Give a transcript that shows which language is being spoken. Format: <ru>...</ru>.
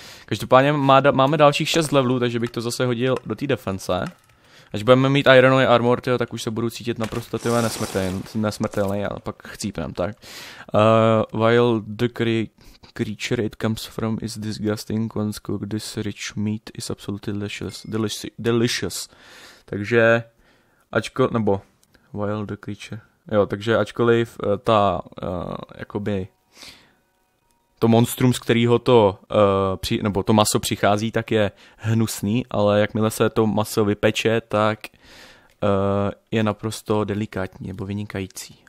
<cs>Každopádně máme dalších 6 levelů, takže bych to zase hodil do té defense. Až budeme mít ironový armor, tyjo, tak už se budu cítit naprosto tyhle nesmrtelný a pak chcípnem, tak.</cs> <en>While the creature it comes from is disgusting, once cooked this rich meat is absolutely delicious.</en> <cs>Takže, ačkoliv, nebo,</cs> <en>while the creature,</en> <cs>jo, takže ačkoliv ta, jakoby, to monstrum, z kterého to, nebo to maso přichází, tak je hnusný, ale jakmile se to maso vypeče, tak je naprosto delikátní nebo vynikající.</cs>